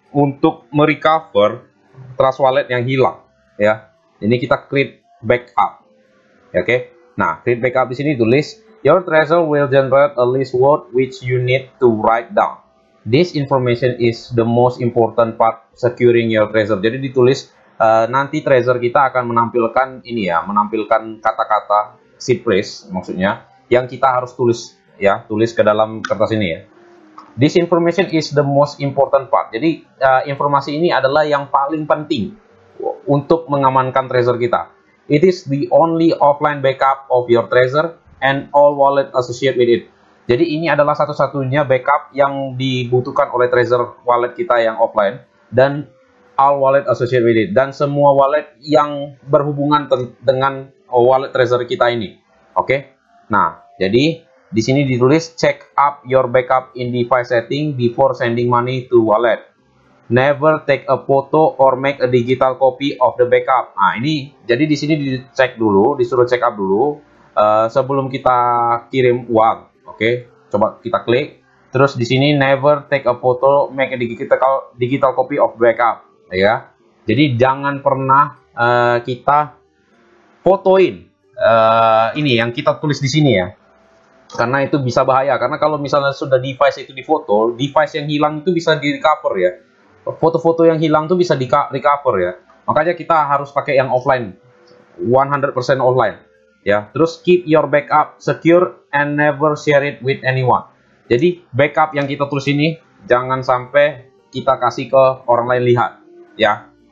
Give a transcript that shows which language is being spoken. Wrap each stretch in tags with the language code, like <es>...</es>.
<id>untuk merecover trust wallet yang hilang, ya. Ini kita create backup. Ya, oke. Okay? Nah,</id> <en>create backup</en> <id>di sini tulis</id> <en>your Trezor will generate a list word which you need to write down. This information is the most important part securing your Trezor.</en> <id>Jadi ditulis nanti Trezor kita akan menampilkan ini ya, menampilkan kata-kata seed phrase maksudnya yang kita harus tulis ya, tulis ke dalam kertas ini ya.</id> <en>This information is the most important part.</en> <id>Jadi informasi ini adalah yang paling penting untuk mengamankan Trezor kita.</id> <en>It is the only offline backup of your Trezor and all wallet associated with it.</en> <id>Jadi ini adalah satu-satunya backup yang dibutuhkan oleh Trezor wallet kita yang offline dan</id> <en>all wallet associated with it</en> <id>dan semua wallet yang berhubungan dengan wallet Trezor kita ini.</id> <en>Oke. Okay?</en> <id>Nah, jadi di sini ditulis</id> <en>check up your backup in device setting before sending money to wallet. Never take a photo or make a digital copy of the backup.</en> <id>Nah, ini jadi di sini dicek dulu, disuruh check up dulu sebelum kita kirim uang. Oke, okay, coba kita klik. Terus di sini</id> <en>never take a photo, make a digital copy of backup, ya.</en> <id>Jadi jangan pernah kita fotoin ini yang kita tulis di sini ya. Karena itu bisa bahaya. Karena kalau misalnya sudah device itu difoto, device yang hilang itu bisa di recover ya. Foto-foto yang hilang itu bisa di recover ya. Makanya kita harus pakai yang offline, 100% offline. Ya, terus</id> <en>keep your backup secure and never share it with anyone.</en> <id>Jadi backup yang kita tulis ini jangan sampai kita kasih ke orang lain lihat, ya.</id>